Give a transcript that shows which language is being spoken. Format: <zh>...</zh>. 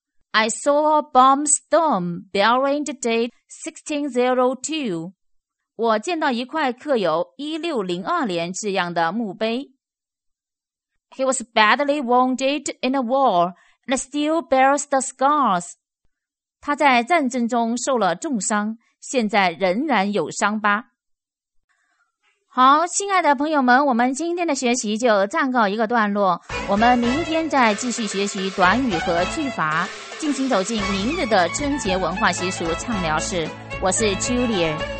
<en>I saw a bomb storm bearing the date 1602.</en> <zh>我见到一块刻有1602年字样的墓碑。</zh> <en>He was badly wounded in a war and still bears the scars.</en> <zh>他在战争中受了重伤，现在仍然有伤疤。好，亲爱的朋友们，我们今天的学习就暂告一个段落，我们明天再继续学习短语和句法。敬请走进明日的春节文化习俗畅聊室，我是 Julia。</zh>